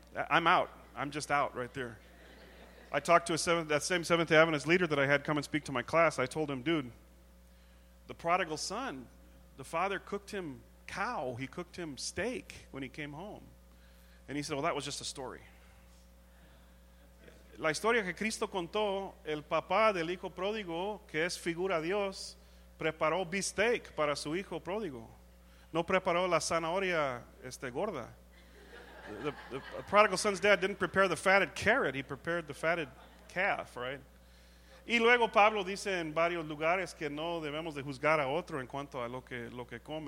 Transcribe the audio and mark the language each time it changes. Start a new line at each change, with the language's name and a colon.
English: I'm out. I'm just out right there. I talked to that same Seventh-day Adventist leader that I had come and speak to my class. I told him, dude, the prodigal son, the father cooked him cow. He cooked him steak when he came home. And he said, well, that was just a story.
Spanish: La historia que Cristo contó, el papá del hijo pródigo, que es figura de Dios, preparó bistec para su hijo pródigo. No preparó la zanahoria gorda.
English: The prodigal son's dad didn't prepare the fatted carrot. He prepared the fatted calf, right?
Spanish: Y luego Pablo dice en varios lugares que no debemos de juzgar a otro en cuanto a lo que come.